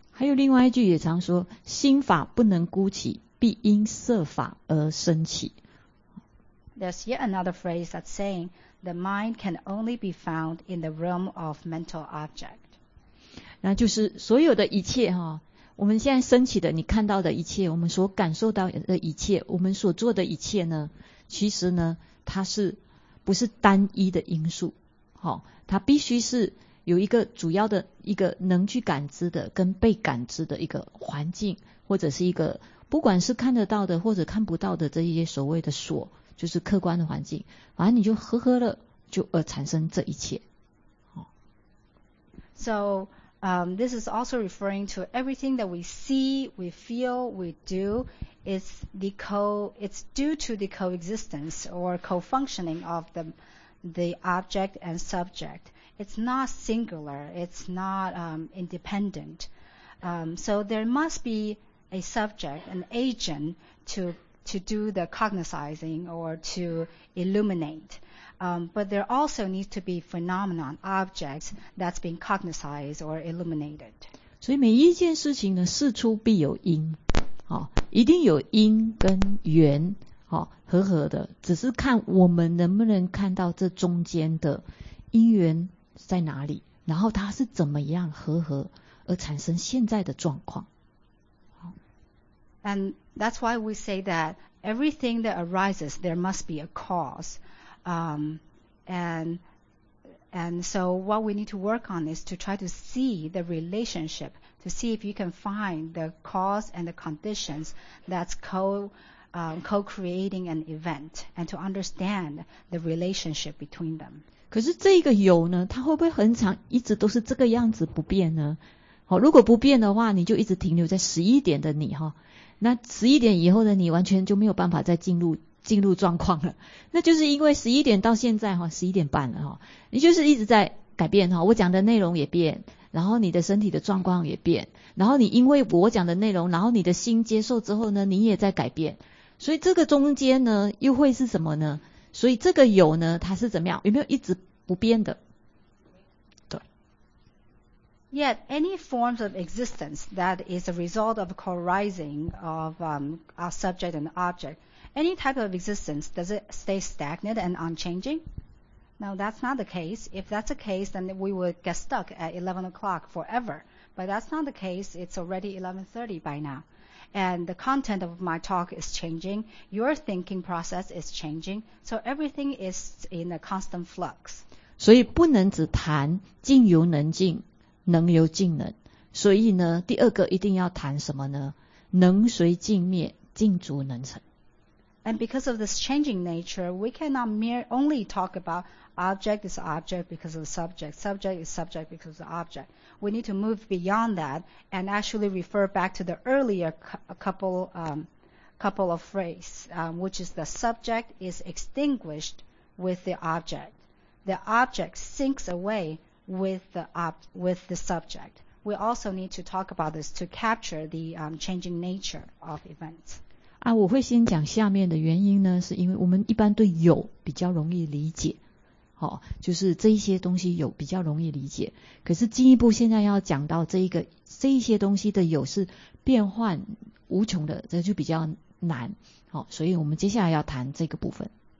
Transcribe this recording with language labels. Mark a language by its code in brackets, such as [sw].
[zh] 还有另外一句也常说，心法不能孤起，必因色法而生起。 [en] There's yet another phrase that's saying the mind can only be found in the realm of mental object. [zh] 那就是所有的一切哈，我们现在升起的你看到的一切，我们所感受到的一切，我们所做的一切呢，其实呢它是不是单一的因素，哦，它必须是有一个主要的一个能去感知的跟被感知的一个环境，或者是一个不管是看得到的或者看不到的这一些所谓的所，就是客观的环境，反正你就合了就而产生这一切，哦。 [en] So,this is also referring to everything that we see, we feel, we do. It's due to the coexistence or co-functioning of the object and subject. It's not singular. It's not independent. So there must be a subject, an agent to do the cognizing or to illuminate. But there also needs to be phenomenon, objects that's being cognized or illuminated. [zh] 所以每一件事情呢，事出必有因，哦，一定有因跟缘，哦，合的，只是看我们能不能看到这中间的因缘在哪里，然后它是怎么样合而产生现在的状况。 [en] And that's why we say that everything that arises, there must be a cause. And so what we need to work on is to try to see the relationship, to see if you can find the cause and the conditions that's co-creating an event, and to understand the relationship between them. [zh] 可是这个有呢，它会不会很长，一直都是这个样子不变呢？好，如果不变的话，你就一直停留在十一点的你哈，那十一点以后的你完全就没有办法再进入进入状况了，那就是因为十一点到现在哈，十一点半了哈，你就是一直在改变哈，我讲的内容也变，然后你的身体的状况也变，然后你因为我讲的内容，然后你的心接受之后呢，你也在改变，所以这个中间呢，又会是什么呢？所以这个有呢，它是怎么样？有没有一直不变的？ [en] Yet any forms of existence that is a result of co-arising of a subject and object, any type of existence, does it stay stagnant and unchanging? No, that's not the case. If that's the case, then we would get stuck at 11 o'clock forever. But that's not the case. It's already 11:30 by now. And the content of my talk is changing. Your thinking process is changing. So everything is in a constant flux. [zh] 所以不能只谈境由能境。能由境能，所以呢，第二个一定要谈什么呢？能随境灭，境足能成。 [en] And because of this changing nature, we cannot mere only talk about object is object because of subject, subject is subject because of object. We need to move beyond that and actually refer back to the earlier couple of phrases, which is the subject is extinguished with the object. The object sinks away. With the subject. We also need to talk about this to capture the changing nature of events. [zh] 啊，我会先讲下面的原因呢，是因为我们一般对有比较容易理解，好，就是这一些东西有比较容易理解。可是进一步现在要讲到这一些东西的有是变幻无穷的，这就比较难，好，所以我们接下来要谈这个部分。